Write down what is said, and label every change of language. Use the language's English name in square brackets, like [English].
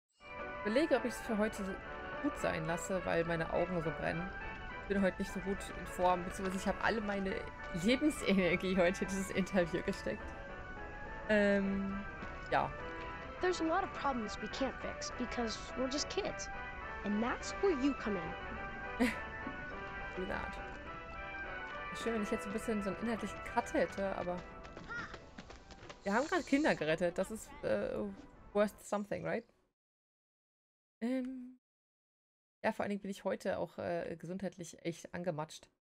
[German] Ich überlege, ob ich es für heute gut sein lasse, weil meine Augen so brennen. Ich bin heute nicht so gut in Form, beziehungsweise ich habe alle meine Lebensenergie heute in dieses Interview gesteckt. Ja. [English] There's a lot of problems we can't fix because we're just kids. And that's where you come in. [German] Genau. Schön, wenn ich jetzt ein bisschen so einen inhaltlichen Cut hätte, aber. Wir haben gerade Kinder gerettet. Das ist [English] worth something, right? [German] Ja, vor allen Dingen bin ich heute auch gesundheitlich echt angematscht.